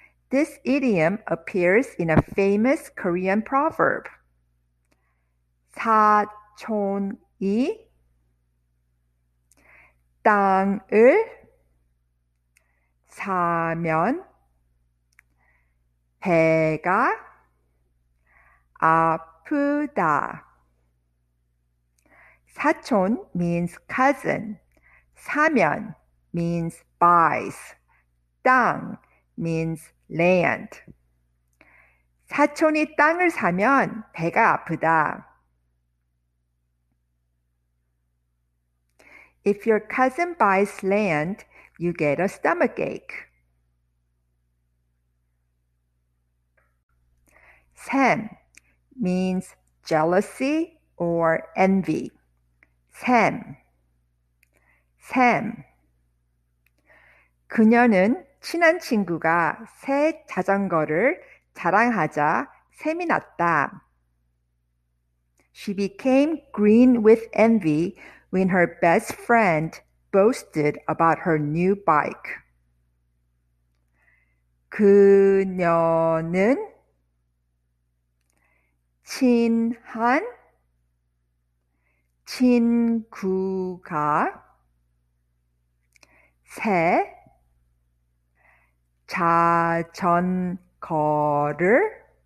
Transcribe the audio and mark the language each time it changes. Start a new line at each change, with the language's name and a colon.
English: This idiom appears in a famous Korean proverb.
Korean: 사촌이 땅을 사면 배가 아프다.
English: 사촌 means cousin. 사면 means buys. 땅 means land.
Korean: 사촌이 땅을 사면 배가 아프다.
English: If your cousin buys land, you get a stomach ache. Sam means jealousy or envy. Sam. Sam.
Korean: 그녀는 친한 친구가 새 자전거를 자랑하자 샘이 났다.
English: She became green with envy when her best friend boasted about her new bike.
Korean: 그녀는 친한 친구가 새 자전거를